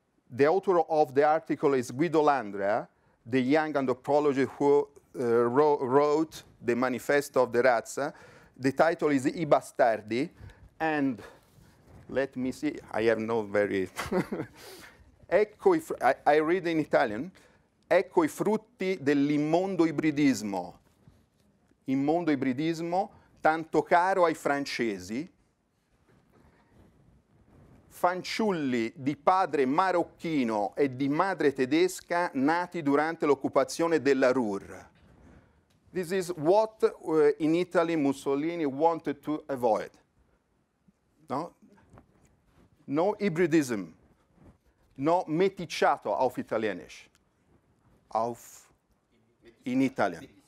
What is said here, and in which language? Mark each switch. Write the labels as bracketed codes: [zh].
[en] The author of the article is Guido Landria, the young anthropologist who wrote the Manifesto of the Razza. The title is I Bastardi, and let me see, I have no very... I read in Italian, [it] ecco i frutti dell'immondo ibridismo. Immondo ibridismo, tanto caro ai francesi, fanciulli di padre marocchino e di madre tedesca nati durante l'occupazione della Ruhr. [en] This is what in Italy Mussolini wanted to avoid. No? No hybridism, no meticciato [de] auf Italienisch, auf [en] in Italian.